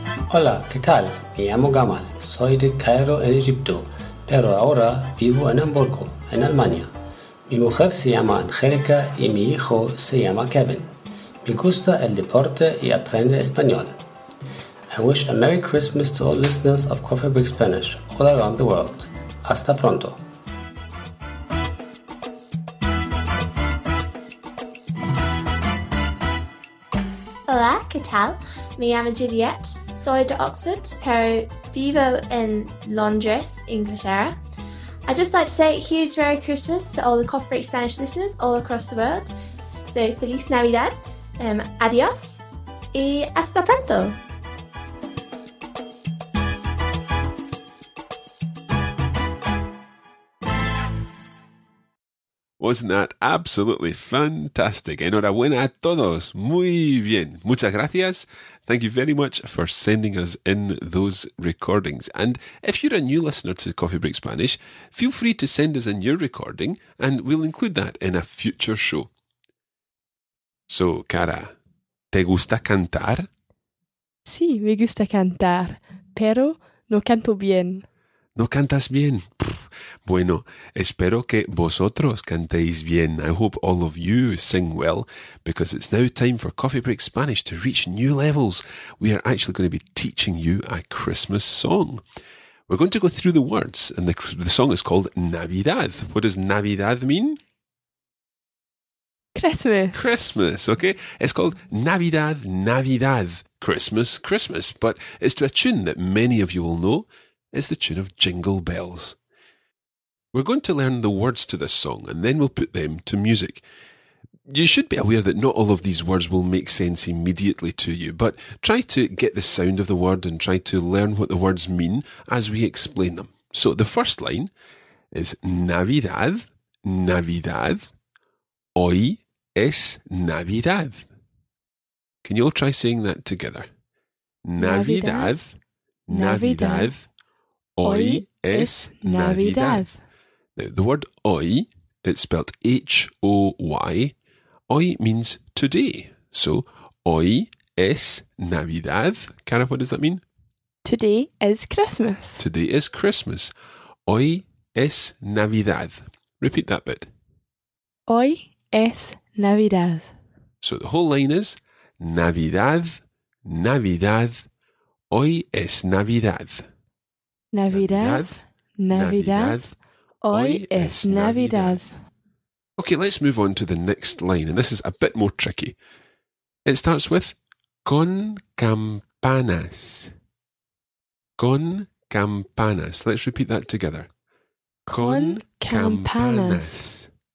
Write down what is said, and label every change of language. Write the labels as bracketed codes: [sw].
[es] Hola, ¿qué tal? Me llamo Gamal. Soy de Cairo, en Egipto. Pero ahora vivo en Hamburgo, en Alemania. Mi mujer se llama Angélica y mi hijo se llama Kevin. Me gusta el deporte y aprende español. [en] I wish a Merry Christmas to all listeners of Coffee Break Spanish all around the world. [es] Hasta pronto. Hola, ¿qué tal? Me llamo Juliet. Soy de Oxford, pero vivo en Londres, Inglaterra. [en] I'd just like to say a huge Merry Christmas to all the Coffee Break Spanish listeners all across the world. [es] So, Feliz Navidad, adios, y hasta pronto. [en] Wasn't that absolutely fantastic? [es] Enhorabuena a todos. Muy bien. Muchas gracias. [en] Thank you very much for sending us in those recordings. And if you're a new listener to Coffee Break Spanish, feel free to send us in your recording and we'll include that in a future show. [es] So, Cara, ¿te gusta cantar? Sí, me gusta cantar, pero no canto bien. ¿No cantas bien? Bueno, espero que vosotros cantéis bien. [en] I hope all of you sing well, because it's now time for Coffee Break Spanish to reach new levels. We are actually going to be teaching you a Christmas song. We're going to go through the words, and the song is called Navidad. What does Navidad mean? Christmas. Christmas, okay? It's called Navidad, Navidad, Christmas, Christmas. But it's to a tune that many of you will know. It's the tune of Jingle Bells. We're going to learn the words to this song and then we'll put them to music. You should be aware that not all of these words will make sense immediately to you, but try to get the sound of the word and try to learn what the words mean as we explain them. So the first line is [es] Navidad, Navidad, hoy es Navidad. [en] Can you all try saying that together? [es] Navidad, Navidad, Navidad, hoy es Navidad. [en] Now, the word hoy, it's spelt H-O-Y. Hoy means today. So, [es] hoy es Navidad. [en] Cara, what does that mean? Today is Christmas. Today is Christmas. [es] Hoy es Navidad. [en] Repeat that bit. [es] Hoy es Navidad. [en] So the whole line is [es] Navidad, Navidad, hoy es Navidad. Navidad, Navidad, Navidad, hoy es Navidad. [en] Okay, let's move on to the next line, and this is a bit more tricky. It starts with [es] con campanas. Con campanas. [en] Let's repeat that together. [es] Con campanas.